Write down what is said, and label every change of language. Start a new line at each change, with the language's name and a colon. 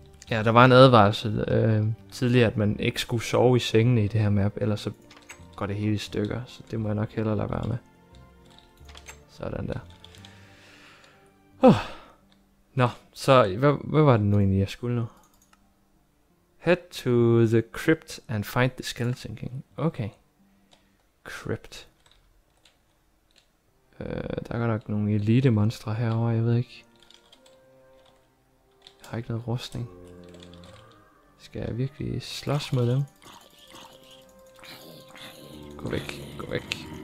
Danish: Ja, der var en advarsel tidligere, at man ikke skulle sove i sengene i det her map. Ellers så går det hele i stykker. Så det må jeg nok hellere lade være med. Sådan der. Nå, så hvad var det nu egentlig, jeg skulle nu?
English: Head to the crypt and find the skeleton king. Okay. Crypt.
Danish: Der er nok nogle elite monstre herovre, jeg ved ikke. Jeg har ikke noget rustning. Skal jeg virkelig slås mod dem? Gå væk, gå væk.